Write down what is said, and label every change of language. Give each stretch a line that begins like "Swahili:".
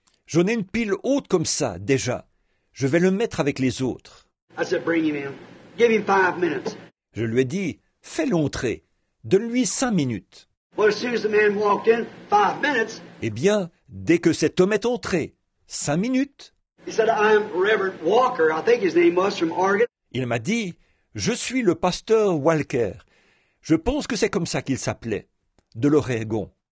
French: J'en ai une pile haute comme ça déjà. Je vais le mettre avec les autres.
English: I said, bring him in. Give him 5 minutes.
French: Je lui ai dit, fais-le entrer. Donne-lui 5 minutes.
English: Well, as soon as the man walked in, 5 minutes.
French: Eh bien, dès que cet homme est entré, 5 minutes.
English: He said, I'm Reverend Walker. I think his name was from Oregon.
French: Il m'a dit, je suis le pasteur Walker. Je pense que c'est comme ça qu'il s'appelait, de l'Oregon.